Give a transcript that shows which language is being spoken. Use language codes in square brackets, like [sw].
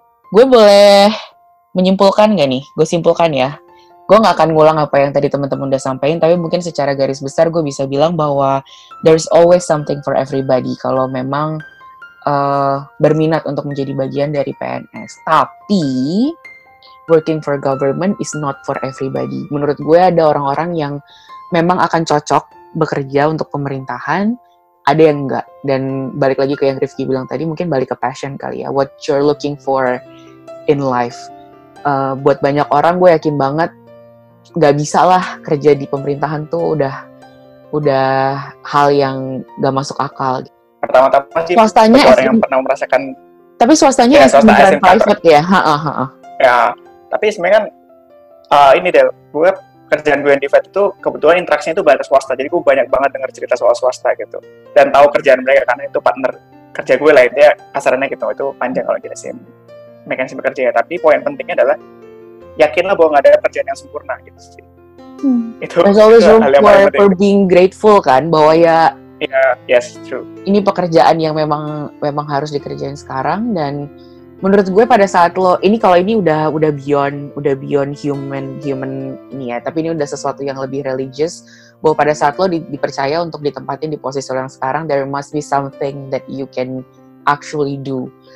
[id] Gue boleh menyimpulkan nggak nih? Gue simpulkan ya. Gue gak akan ngulang apa yang tadi teman-teman udah sampaikan, tapi mungkin secara garis besar gue bisa bilang bahwa [en] there's always something for everybody [id] kalau memang berminat untuk menjadi bagian dari PNS. Tapi, [en] working for government is not for everybody. [id] Menurut gue ada orang-orang yang memang akan cocok bekerja untuk pemerintahan, ada yang enggak. Dan balik lagi ke yang Rifqi bilang tadi, mungkin balik ke passion kali ya, [en] what you're looking for in life. [id] Buat banyak orang gue yakin banget, gak bisa lah kerja di pemerintahan tuh udah hal yang gak masuk akal. Pertama-tama sih, swastanya orang yang pernah merasakan. Tapi swastanya ya, swasta private ya. Ya, tapi sebenarnya kan ini deh, gue kerjaan gue yang di Fed itu kebetulan interaksinya itu banyak swasta. Jadi gue banyak banget denger cerita soal swasta gitu. Dan tahu kerjaan mereka karena itu partner kerja gue lah. Intinya kasarannya gitu, itu panjang kalau kita sih mekanisme bekerja ya. Tapi poin pentingnya adalah yakinlah bahwa nggak ada kerjaan yang sempurna gitu sih. Itu [en] there's always room for being grateful [id] kan, bahwa ya [en] yeah, yes true, [id] ini pekerjaan yang memang harus dikerjain sekarang, dan menurut gue pada saat lo ini, kalau ini udah [en] beyond human [id] nih ya, tapi ini udah sesuatu yang lebih religious, bahwa pada saat lo dipercaya untuk ditempatin di posisi lo yang sekarang, [en] there must be something that you can actually do.